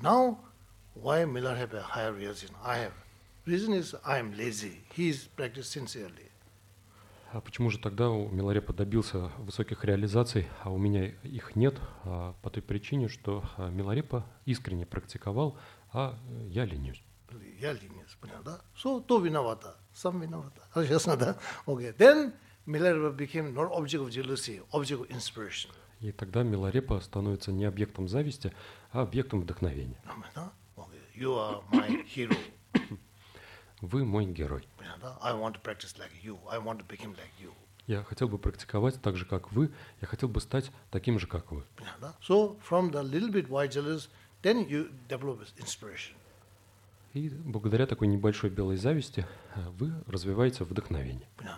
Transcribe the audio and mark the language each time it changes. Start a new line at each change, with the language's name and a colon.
English: Now, why Miladepa higher reason? I have reason is I am lazy. He is practiced sincerely.
Russian: А почему же тогда у Миларепа добился высоких реализаций, а у меня их нет? По той причине, что Миларепа искренне практиковал. А я ленюсь. я ленец, понял, да? Все, то виновата, сам виновата. Честно, да? Окей.
English: Then Milarepa became not object of jealousy, object of inspiration.
Russian: И тогда Миларепа становится не объектом зависти, а объектом вдохновения. Амин, да?
English: You are my hero.
Russian: Вы мой герой.
English: I want to practice like you. I want to become like you.
Russian: Я хотел бы практиковать так же, как вы. Я хотел бы стать таким же, как вы.
English: So from the little bit white jealous, then you develop inspiration. И благодаря такой небольшой белой зависти вы развиваете вдохновение.